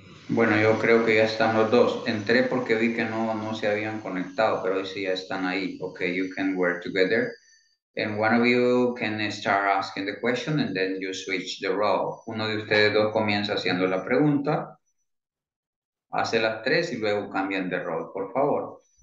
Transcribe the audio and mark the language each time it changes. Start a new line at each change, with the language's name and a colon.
Spanish: Bueno, yo creo que ya están los dos. Entré porque vi que no se habían conectado, pero hoy sí ya están ahí.
English: Okay, you can work together. And one of you can start asking the question and then you switch the role.
Spanish: Uno de ustedes dos comienza haciendo la pregunta. Hace las 3 y luego cambian de role, por favor.